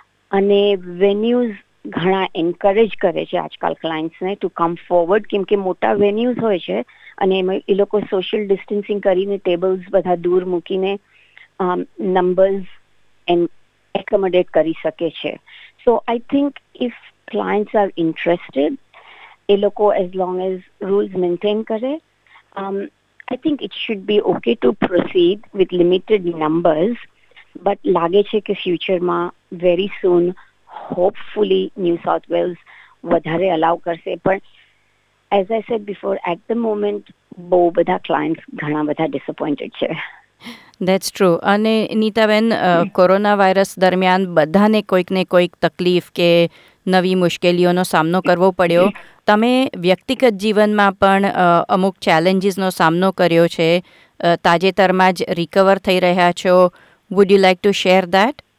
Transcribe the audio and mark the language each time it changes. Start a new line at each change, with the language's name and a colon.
Gujarati: અને વેન્યુઝ ઘણા એન્કરેજ કરે છે આજકાલ ક્લાયન્ટ્સને
English: to come forward,
Gujarati: કેમ કે મોટા વેન્યુઝ હોય છે અને એમાં એ લોકો સોશિયલ ડિસ્ટન્સિંગ કરીને ટેબલ્સ બધા દૂર મૂકીને નંબર્સ એકોમોડેટ કરી શકે છે.
English: so I think if clients are interested,
Gujarati: એ લોકો
English: as long as rules maintain
Gujarati: કરે,
English: I think it should be okay to proceed with limited numbers, but
Gujarati: lage che ke future ma
English: very soon hopefully New South Wales
Gujarati: vadhare allow karse,
English: but as I said before at the moment
Gujarati: bo badha clients ghana badha disappointed che.
English: That's true.
Gujarati: અને Nitaben, corona virus દરમિયાન બધાને કોઈક ને કોઈક તકલીફ કે નવી મુશ્કેલીઓનો સામનો કરવો પડ્યો, તમે વ્યક્તિગત જીવનમાં પણ અમુક ચેલેન્જીસનો સામનો કર્યો છે, તાજેતરમાં જ રિકવર થઈ રહ્યા છો,
English: Would you like to share that?